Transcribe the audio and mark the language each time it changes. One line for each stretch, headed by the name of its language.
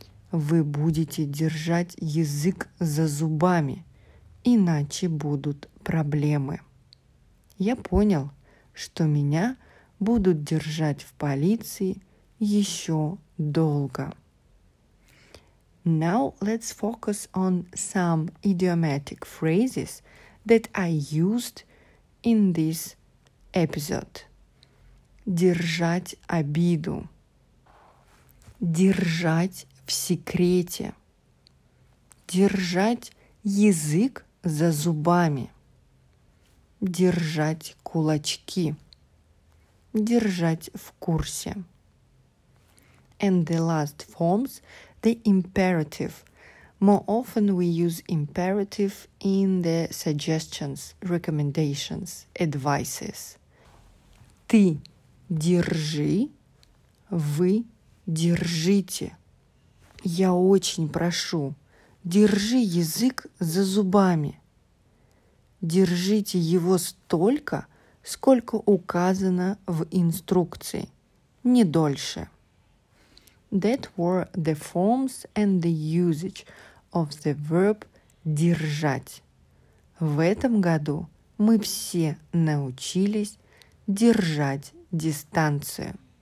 Russian: Вы будете держать язык за зубами, иначе будут проблемы. Я понял, что меня будут держать в полиции еще долго.
English: Now let's focus on some idiomatic phrases that I used in this episode.
Russian: Держать обиду. Держать в секрете. Держать язык за зубами. Держать кулачки. Держать в курсе.
English: And the last forms, the imperative, More often we use imperative in the suggestions, recommendations, advices.
Russian: Ты держи, вы держите. Я очень прошу, держи язык за зубами. Держите его столько, сколько указано в инструкции, не дольше.
English: That were the forms and the usage of the verb «держать».
Russian: В этом году мы все научились держать дистанцию.